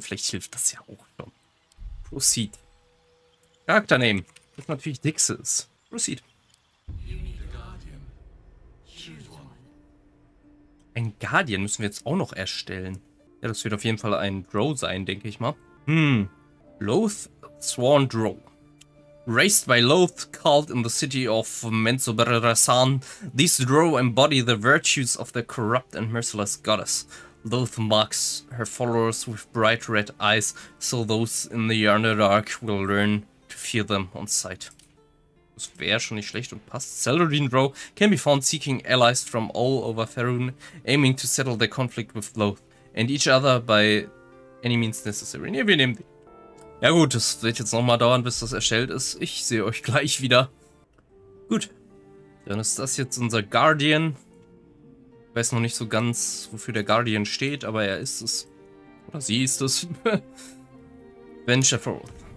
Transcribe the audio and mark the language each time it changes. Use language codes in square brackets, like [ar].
[de] Vielleicht hilft das ja auch schon. Proceed. Charakter nehmen. Das ist natürlich Dixis. Proceed. Ein Guardian müssen wir jetzt auch noch erstellen. Ja, das wird auf jeden Fall ein Drow sein, denke ich mal. Hm. Loth Sworn Drow. [en] Raised by Loth, called in the city of Menzoberranzan, these Drow embody the virtues of the corrupt and merciless goddess. Loth marks her followers with bright red eyes, so those in the Underdark will learn to fear them on sight. [de] Das wäre schon nicht schlecht und passt. [en] Saladin Drow can be found seeking allies from all over Faerun, aiming to settle the conflict with Loth and each other by any means necessary. [de] Ne, wir nehmen die. Ja gut, das wird jetzt nochmal dauern, bis das erstellt ist. Ich sehe euch gleich wieder. Gut, dann ist das jetzt unser Guardian. Ich weiß noch nicht so ganz, wofür der Guardian steht, aber er ist es. Oder sie ist es. Ven Sheffaroth.